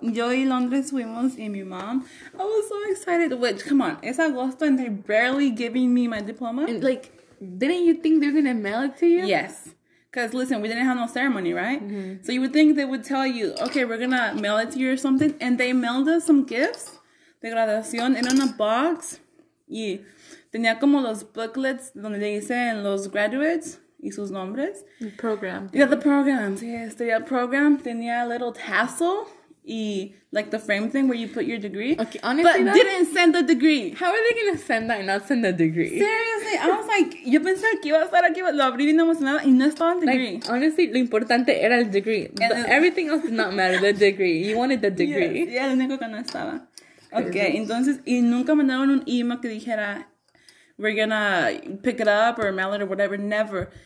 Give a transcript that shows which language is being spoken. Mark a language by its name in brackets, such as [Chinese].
[Spanish] Yo y Londres fuimos y mi mom. [English] I was so excited. Which, come on, it's agosto and they're barely giving me my diploma. And, like, didn't you think they're gonna mail it to you? Yes. Because, listen, we didn't have no ceremony, right? Mm-hmm. So you would think they would tell you, okay, we're gonna mail it to you or something. And they mailed us some gifts. [Spanish] De graduación en una box. Y tenía como los booklets donde dicen los graduates. Y sus nombres. [English] Program. Yeah, the programs. Yes, the program. [Spanish] Tenía [English] a little tassel. Y like the frame thing where you put your degree. Okay, honestly. But that, didn't send the degree. How are they going to send that and not send the degree? Seriously, I was like, [Spanish] yo pensé que iba a estar aquí, lo abrí bien emocionada y no estaba el degree. [English] Like, honestly, [Spanish] lo importante era el degree. [English] Everything else did not matter, the degree. You wanted the degree. [Spanish] Yeah, lo único que no estaba. Okay, entonces, y nunca mandaron un email que dijera, [English] we're gonna pick it up or mail it or whatever. Never.